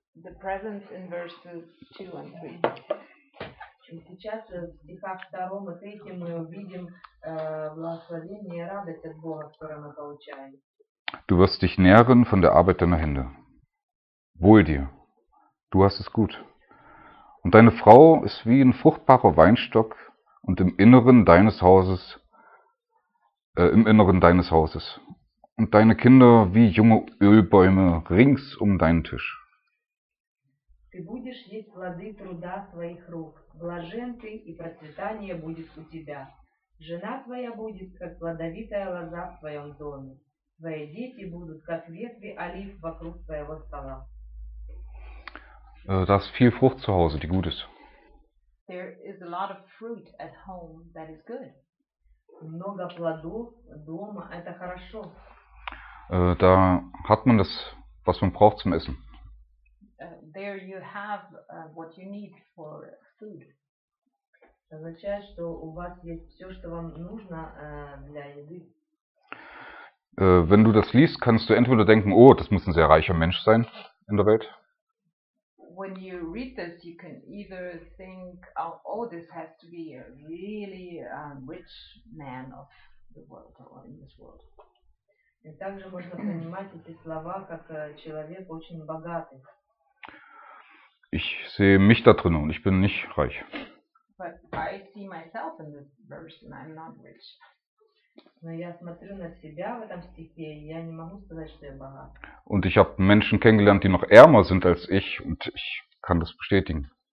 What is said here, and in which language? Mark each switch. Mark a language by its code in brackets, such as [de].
[en] The presence in verses 2 and 3. [ru] Сейчас в стихах 2 и 3 мы увидим благословение и радость от Бога, которую мы получаем. [de] Du wirst dich nähren von der Arbeit deiner Hände. Wohl dir. Du hast es gut. Und deine Frau ist wie ein fruchtbarer Weinstock und im Inneren deines Hauses. Und deine Kinder wie junge Ölbäume rings um deinen Tisch. [ru] Ты будешь есть плоды труда своих рук. Блажен ты, и процветание будет у тебя. Жена твоя будет, как плодовитая лоза в твоем доме. Твои дети будут, как ветви олив вокруг твоего стола. [de] Da ist viel Frucht zu Hause, die gut ist. [en] There is a lot of fruit at home that is good. [ru] Много плодов дома, это хорошо. [de] Da hat man das, was man braucht zum Essen. [en] There you have what you need for food. [ru] Это означает, что у вас есть все, что вам нужно для еды. [de] Wenn du das liest, kannst du entweder denken, oh, das muss ein sehr reicher Mensch sein in der Welt. [en] When you read this, you can either think, oh, this has to be a really rich man of the world or in this world. [ru] И также можно понимать эти слова как человек очень богатый. [de] Ich sehe mich da drin und ich bin nicht reich. [en] But I see myself in this verse and I'm not rich. [ru] Но я смотрю на себя в этом стихе, и я не могу сказать, что я богат. [de] Und ich habe Menschen kennengelernt, die noch ärmer sind als ich, und ich kann das bestätigen.